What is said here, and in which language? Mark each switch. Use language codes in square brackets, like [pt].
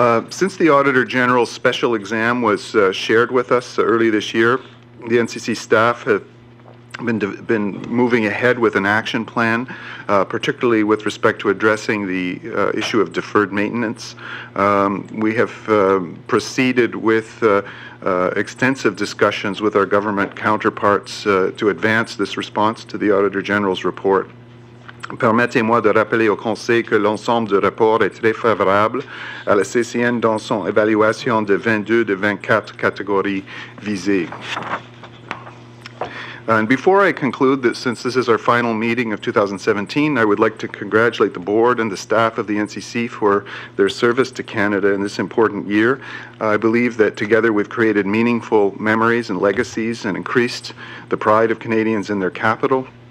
[en] Since the Auditor General's special exam was shared with us early this year, the NCC staff have been moving ahead with an action plan, particularly with respect to addressing the issue of deferred maintenance. We have proceeded with extensive discussions with our government counterparts to advance this response to the Auditor General's report. [fr] Permettez-moi de rappeler au Conseil que l'ensemble du rapport est très favorable à la CCN dans son évaluation de 22 de 24 catégories visées. [en] And before I conclude, that since this is our final meeting of 2017, I would like to congratulate the board and the staff of the NCC for their service to Canada in this important year. I believe that together we've created meaningful memories and legacies and increased the pride of Canadians in their capital.